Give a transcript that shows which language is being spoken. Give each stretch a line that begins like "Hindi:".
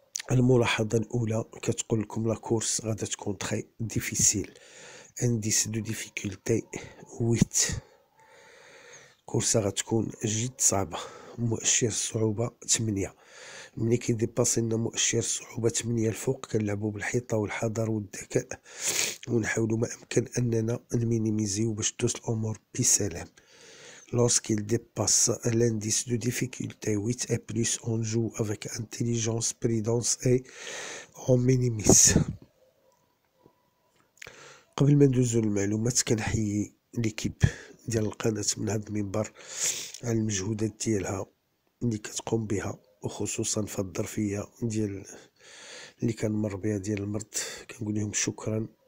Arabic: الملاحظه الاولى كتقول لكم لا كورس غادا تكون تري ديفيسيل، انديس دو ديفيكولتي 8، كورسا غتكون جد صعبه، مؤشر صعوبه 8، ملي كيديباسينا مؤشر صعوبه 8 الفوق كنلعبو بالحيطه والحذر والذكاء، ونحاولوا ما امكن اننا نمينيميزيو باش تدوز الامور بسلام.
French: Lorsqu'il dépasse l'indice de difficulté 8 et plus, on joue avec intelligence, prudence et on minimise.
Arabic: قبل ما ندوزو المعلومات كنحيي ليكيب ديال القناة من هاد المنبر على المجهودات ديالها اللي كتقوم بها، وخصوصا في الظرفية ديال اللي كنمر بها ديال المرض، كنقول لهم شكرا.